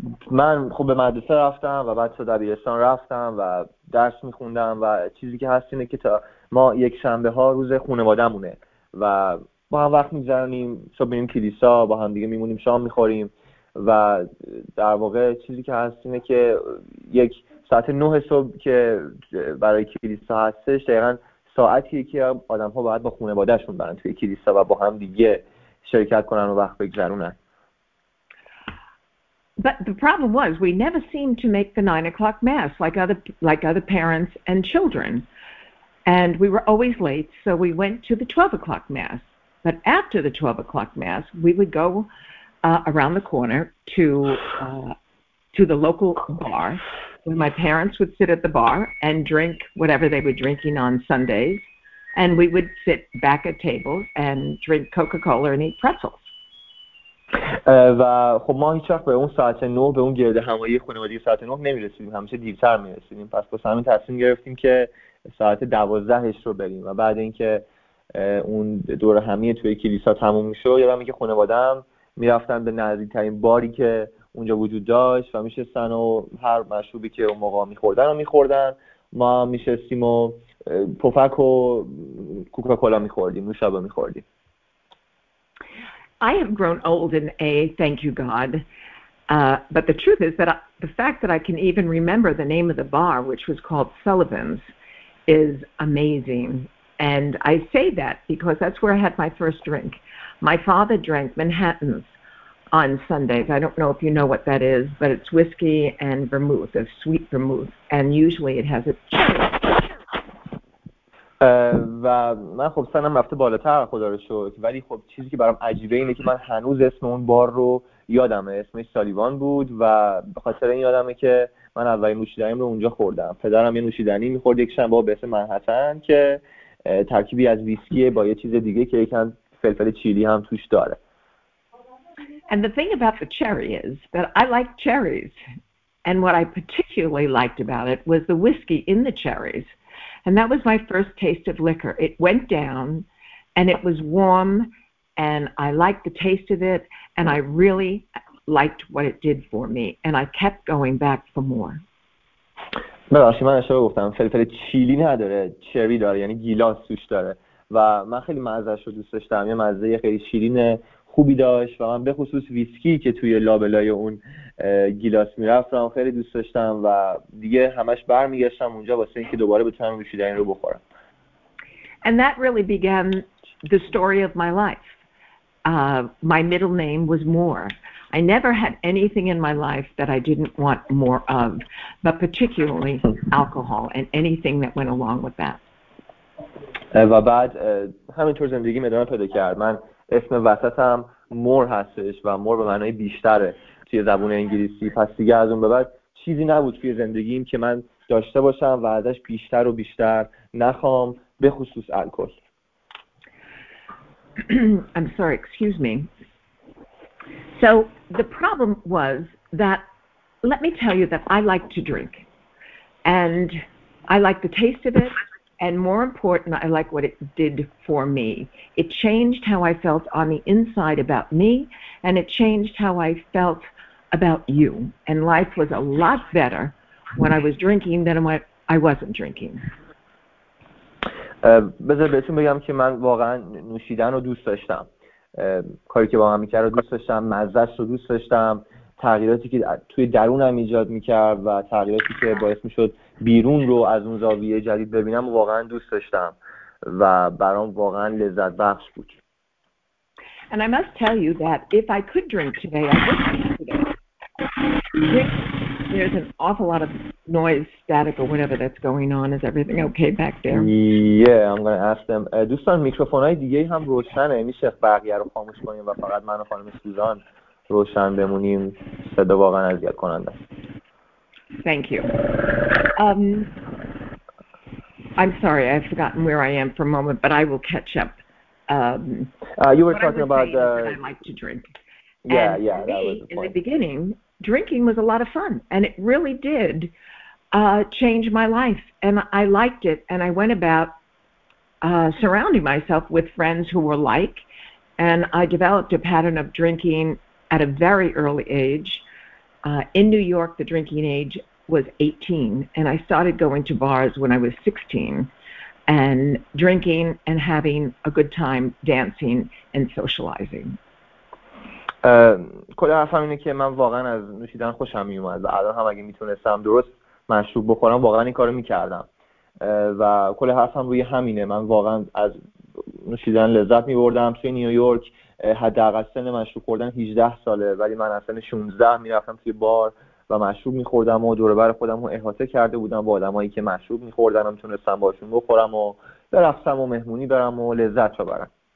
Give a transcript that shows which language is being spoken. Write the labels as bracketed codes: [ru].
[fa] من خب به مدرسه رفتم و بعد تو دبیرستان رفتم و درس میخوندم و چیزی که هست اینه که تا ما یک شنبه ها روز خانواده مونه و با هم وقت می‌گذرونیم، صبح می‌ریم کلیسا، با هم دیگه می‌مونیم، شام می‌خوریم و در واقع چیزی که هست اینه که یک ساعت 9 صبح که برای کلیسا هستش، دقیقاً ساعتیه که آدم‌ها باید با خانواده‌شون برن توی کلیسا و با هم دیگه شرکت کنن و وقت بگذرونن. [en] But the problem was we never seemed to make the 9 o'clock mass like other parents and children. And we were always late, so we went to the 12 o'clock mass. But after the 12 o'clock mass, we would go around the corner to the local bar where my parents would sit at the bar and drink whatever they were drinking on Sundays. And we would sit back at tables and drink Coca-Cola and eat pretzels. [fa] و خب ما هیچ وقت به اون ساعت 9 به اون گرد همایی خانوادگی ساعت 9 نمی‌رسیدیم، همیشه دیرتر می‌رسیدیم. پس واسه همین تصمیم گرفتیم که ساعت 12ش رو بریم و بعد اینکه اون دور همیه توی کلیسا تموم میشه، یادم میاد که خانواده‌ام میرفتن به نزدیکترین باری که اونجا وجود داشت و میشستن و هر مشروبی که اون موقع میخوردن و میخوردن، ما میشستیم و پفک و کوکاکولا میخوردیم، نوشابه میخوردیم. [en] I have grown old in A, thank you God. But the truth is that the fact that I can even remember the name of the bar, which was called Sullivan's, is amazing. And I say that because that's where I had my first drink. My father drank Manhattans on Sundays. I don't know if you know what that is, but it's whiskey and vermouth, a sweet vermouth. And usually it has a cherry. [fa] و من خب سنم رفته بالاتر خدا رو شکر، ولی خب چیزی که برام عجیبه اینه که من هنوز اسم اون بار رو یادمه، اسمش سالیوان بود و به خاطر این یادمه که من اولین نوشیدنیم رو اونجا خوردم. پدرم یه نوشیدنی میخورد یک شنبه به اسم منهتن که ترکیبی از ویسکیه با یه چیز دیگه که یکم فلفل چیلی هم توش داره. [en] And the thing about the cherry is that I like cherries, and what I particularly liked about it was the whiskey in the cherries. And that was my first taste of liquor. It went down, and it was warm, and I liked the taste of it, and I really liked what it did for me, and I kept going back for more. [fa] ببخشید من اشتباه گفتم، فلفل چیلی نداره، چری داره، یعنی گیلاس توش داره. و من خیلی مزهش رو دوست داشتم، یه مزه خیلی شیرین خوبی داشت و من به خصوص ویسکی که توی لابلای اون گیلاس میرفتم خیلی دوست داشتم و دیگه همش بر میگشتم اونجا واسه اینکه دوباره بتونم نوشیدنی رو بخورم. [en] And that really began the story of my life. My middle name was Moore. I never had anything in my life that I didn't want more of, but particularly alcohol and anything that went along with that. [fa] و بعد همینطور زندگی ادامه پیدا کرد. من اسم وسطم مور هستش و مور به معنای بیشتره توی زبان انگلیسی، پس دیگه از اون به بعد چیزی نبود توی زندگیم که من داشته باشم و ازش بیشتر و بیشتر نخوام، به خصوص الکل. [en] I'm sorry, excuse me. So the problem was that, let me tell you that I like to drink and I like the taste of it. And more important, I like what it did for me. It changed how I felt on the inside about me, and it changed how I felt about you. And life was a lot better when I was drinking than when I wasn't drinking. [fa] بذار بهتون بگم که من واقعا نوشیدن رو دوست داشتم. کاری که با هم می‌کرد رو دوست داشتم، مزه‌اش رو دوست داشتم، تغییراتی که توی درونم ایجاد می‌کرد و تغییراتی که باعث می‌شد بیرون رو از اون زاویه جدید ببینم واقعا دوست داشتم و برام واقعا لذت بخش بود. [en] And I must tell you that if I could drink today, I would drink today. There's an awful lot of noise, static, or whatever that's going on. Is everything okay back there? Yeah, I'm going to ask them. [fa] دوستان میکروفون‌های دیگه هم روشنه، میشه بقیه رو خاموش کنیم و فقط من و خانم سوزان روشن بمونیم؟ صدا واقعا اذیت کننده است. [en] Thank you. I'm sorry, I've forgotten where I am for a moment, but I will catch up. You were talking about that I like to drink. Yeah, and yeah, me, that was the point. In the beginning, drinking was a lot of fun, and it really did change my life, and I liked it, and I went about surrounding myself with friends who were like, and I developed a pattern of drinking at a very early age. In New York, the drinking age was 18, and I started going to bars when I was 16, and drinking and having a good time dancing and socializing. [fa] کل حرفم اینه که من واقعا از نوشیدن خوشم میومد و الان هم اگه میتونستم درست مشروب بخورم واقعا این کارو میکردم. و کل حرفم روی همینه، من واقعا از نوشیدن لذت میبردم. توی نیویورک حداقل سن مشروب خوردن 18 ساله، ولی من از سن 16 میرفتم توی بار و مشروب میخوردم و دور بر خودم رو احاطه کرده بودم با آدمایی که مشروب میخوردن و میتونستم باشون بخورم و برقصم و مهمونی برم و لذت ببرم.